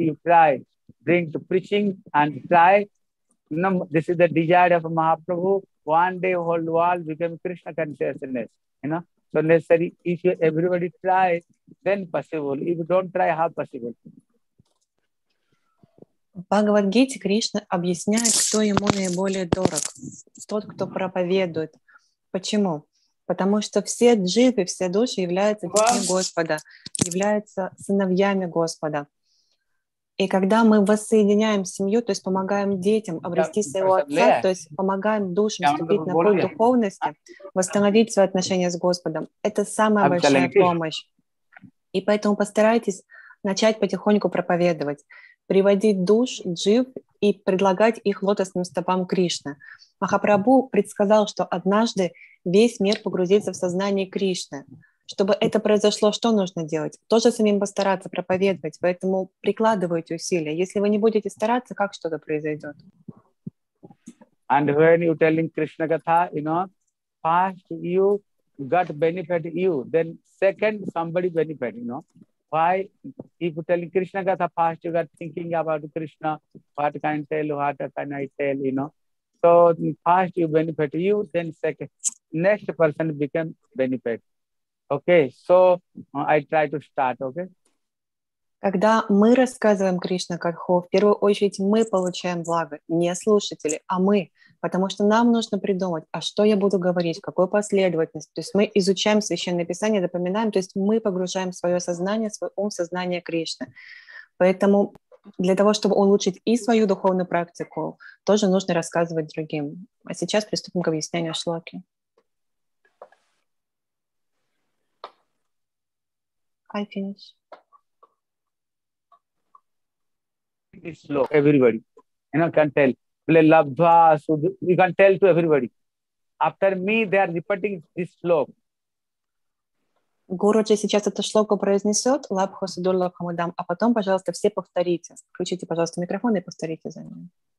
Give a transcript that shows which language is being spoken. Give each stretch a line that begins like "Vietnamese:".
English: You try bring to preaching and try. You know, this is the desire of Mahaprabhu. One day whole world become Krishna consciousness, you know. So necessary, if you, everybody try, then possible. If you don't try, how possible?
Russian: В Бхагавад-гите Кришна объясняет, кто ему наиболее дорог. Тот, кто проповедует. Почему? Потому что все дживы, все души являются детьми Господа, являются сыновьями Господа. И когда мы воссоединяем семью, то есть помогаем детям обрести своего отца, то есть помогаем душам вступить на путь духовности, восстановить свои отношения с Господом, это самая большая помощь. И поэтому постарайтесь начать потихоньку проповедовать, приводить душ, джив и предлагать их лотосным стопам Кришны. Махапрабху предсказал, что однажды весь мир погрузится в сознание Кришны. Чтобы это произошло, что нужно делать? Тоже самим постараться проповедовать, поэтому прикладывайте усилия. Если вы не будете стараться, как что-то произойдет?
English: And when you telling Krishna Katha, you know, first you got benefit you, then second somebody benefit, you know. Why? If you telling Krishna Katha, first you got thinking about Krishna, what can I tell, what can I tell, you know. So first you benefit you, then second, next person become benefit. Okay, so I try to start, okay?
Russian: Когда мы рассказываем Кришна Катху, в первую очередь мы получаем благо, не слушатели, а мы, потому что нам нужно придумать, а что я буду говорить, какую последовательность. То есть мы изучаем Священное Писание, запоминаем, то есть мы погружаем свое сознание, свой ум в сознание Кришны. Поэтому для того, чтобы улучшить и свою духовную практику, тоже нужно рассказывать другим. А сейчас приступим к объяснению шлоки.
English: I finish. It's slow. Everybody, you know, can tell. Play labdha, so you can tell to everybody. After me, they are repeating this slow.
Russian: Гуруджи сейчас эту шлоку произнесет,
Sanskrit: лабдха судурлабхам удам,
Russian: а потом, пожалуйста, все повторите. Включите, пожалуйста, микрофон и повторите за ним.